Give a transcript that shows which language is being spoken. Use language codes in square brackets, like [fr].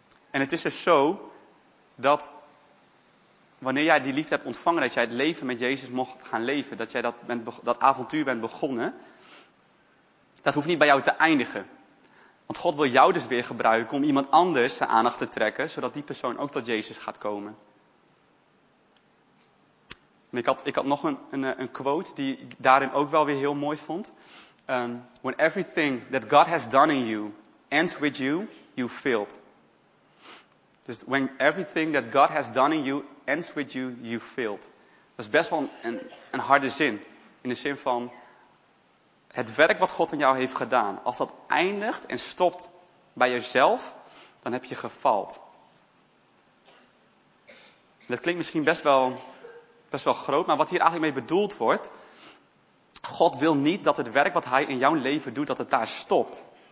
[nl] En het is dus zo dat wanneer jij die liefde hebt ontvangen, dat jij het leven met Jezus mocht gaan leven, dat jij dat avontuur bent begonnen, dat hoeft niet bij jou te eindigen. Want God wil jou dus weer gebruiken om iemand anders zijn aandacht te trekken, zodat die persoon ook tot Jezus gaat komen. En ik had nog een quote die ik daarin ook wel weer heel mooi vond. [en] When everything that God has done in you ends with you, you failed. Dus when everything that God has done in you ends with you, you failed. [nl] Dat is best wel een harde zin. In de zin van, het werk wat God in jou heeft gedaan, als dat eindigt en stopt bij jezelf, dan heb je gefaald. Dat klinkt misschien best wel groot, maar wat hier eigenlijk mee bedoeld wordt, God wil niet dat het werk wat hij in jouw leven doet, dat het daar stopt.